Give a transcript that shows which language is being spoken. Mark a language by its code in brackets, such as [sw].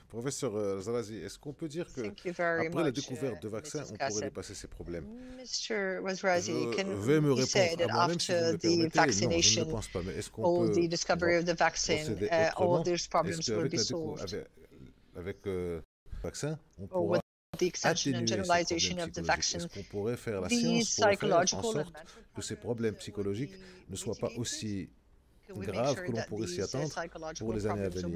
[fr] Professeur Zarazi, est-ce qu'on peut dire que après la découverte de vaccins, on pourrait dépasser ces problèmes? [en] Mr. Wazrazi, can you say that after the vaccination, all the discovery of the vaccine, all these problems will be solved? [fr] Avec le vaccin, on pourra est-ce qu'on pourrait faire la science pour faire en sorte que ces problèmes psychologiques ne soient pas aussi graves que l'on pourrait s'y attendre pour les années à venir?